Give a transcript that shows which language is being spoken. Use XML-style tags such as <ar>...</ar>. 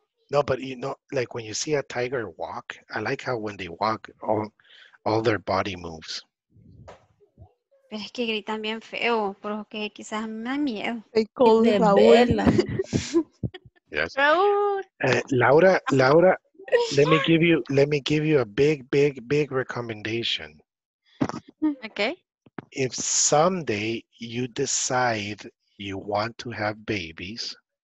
<en>No, but you know, like when you see a tiger walk, I like how when they walk, all their body moves.</en> <es>Pero es que gritan bien feo, porque quizás me da miedo.</es> <en>They call the Raúl. Yes. Raúl. Laura, let me give you a big recommendation. Okay. If someday you decide you want to have babies,</en>